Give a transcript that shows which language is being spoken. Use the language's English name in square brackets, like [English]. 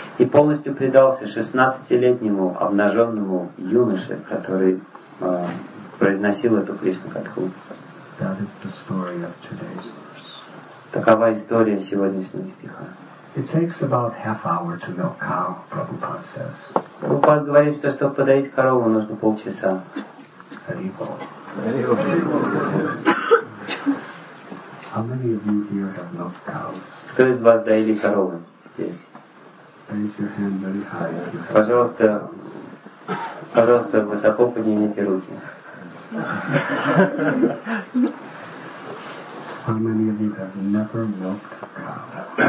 [Russian] И полностью предался 16-летнему обнаженному юноше, который произносил эту Кришна Катху. [English] That is the story of today's verse. [Russian] Такова история сегодняшнего стиха. [English] It takes about half hour to milk cow, Prabhupada says. [Russian] Prabhupada говорит, что чтобы подоить корову, нужно полчаса. [English] How many of you here have milked cows? [Russian] Кто из вас доили коровы здесь? [English] Raise your hand very high. [Russian] Пожалуйста, пожалуйста, высоко поднимите руки. [English] How many of you have never milked cows?